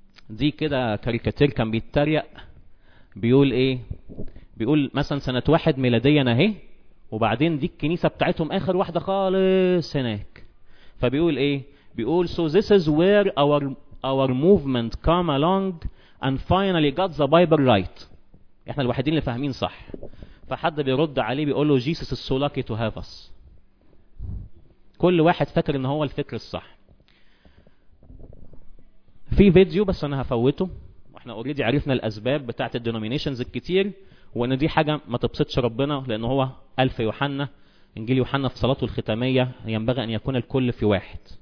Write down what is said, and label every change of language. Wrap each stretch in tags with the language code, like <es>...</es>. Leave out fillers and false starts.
<ar>دي كده كاريكاتير كان بيتريق بيقول ايه، بيقول مثلا سنة واحد ميلادية اهي، وبعدين دي الكنيسة بتاعتهم اخر واحدة خالص هناك، فبيقول ايه، بيقول</ar> <en>so this is where our movement come along and finally got the Bible right.</en> <ar>احنا الوحيدين اللي فاهمين صح. فحد بيرد عليه بيقول له</ar> <en>Jesus is so lucky to have us.</en> <ar>كل واحد فاكر ان هو الفكر الصح. في فيديو بس انا هفوته، احنا اوريدي عرفنا الاسباب بتاعت الدينومينيشنز الكتير، وان دي حاجة ما تبسطش ربنا، لان هو قال في يوحنا، انجيل يوحنا في صلاته الختامية، ينبغي ان يكون الكل في واحد.</ar>